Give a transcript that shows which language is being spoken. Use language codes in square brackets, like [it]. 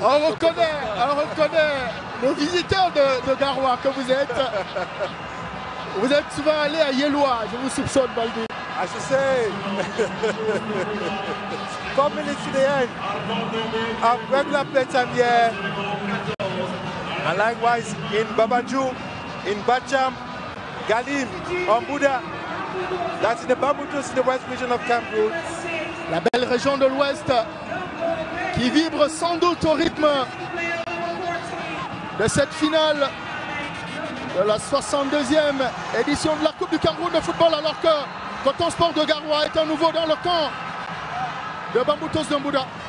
[fr] On reconnaît nos visiteurs de Garoua que vous êtes. Vous êtes souvent allé à Yelewa, je vous soupçonne, Baldi. [en] I should say, 4 minutes to the end of regular playtime here. And likewise in Babaju, in Bacham, Galim, Ombuda. That's in the Bamboutous, the west region of Cameroon. [fr] La belle région de l'ouest qui vibre sans doute au rythme de cette finale de la 62e édition de la Coupe du Cameroun de football, alors que Coton Sport de Garoua est à nouveau dans le camp de Bamboutous Dumbuda.